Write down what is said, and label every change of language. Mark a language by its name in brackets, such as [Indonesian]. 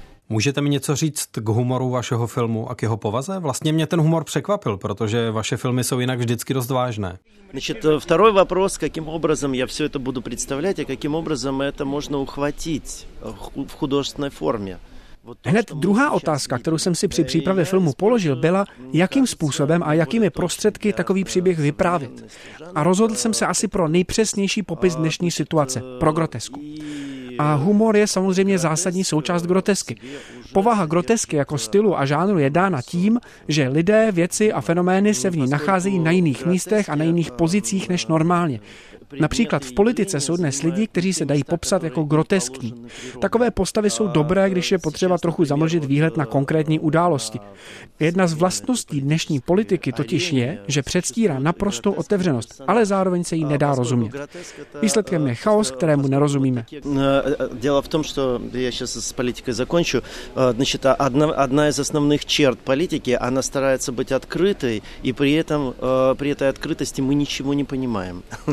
[Czech] Můžete mi něco říct k humoru vašeho filmu a k jeho povaze? Vlastně mě ten humor překvapil, protože vaše filmy jsou jinak vždycky dost vážné. [Russian] Значит, второй вопрос, каким образом я всё это буду представлять, а каким образом это можно ухватить в художественной форме? [Czech] Hned druhá otázka, kterou jsem si při přípravě filmu položil, byla, jakým způsobem a jakými prostředky takový příběh vyprávět. A rozhodl jsem se asi pro nejpřesnější popis dnešní situace, pro grotesku. A humor je samozřejmě zásadní součást grotesky. Povaha grotesky jako stylu a žánru je dána tím, že lidé, věci a fenomény se v ní nacházejí na jiných místech a na jiných pozicích než normálně. Například v politice jsou dnes lidi, kteří se dají popsat jako groteskní. Takové postavy jsou dobré, když je potřeba trochu zamlžit výhled na konkrétní události. Jedna z vlastností dnešní politiky totiž je, že předstírá naprostou otevřenost, ale zároveň se jí nedá rozumět. Výsledkem je chaos, kterému nerozumíme. [Russian] Дело в том, что я сейчас с политикой закончу. Значит, одна из основных черт политики, она старается быть открытой, и при этом при этой открытости мы ничего не понимаем.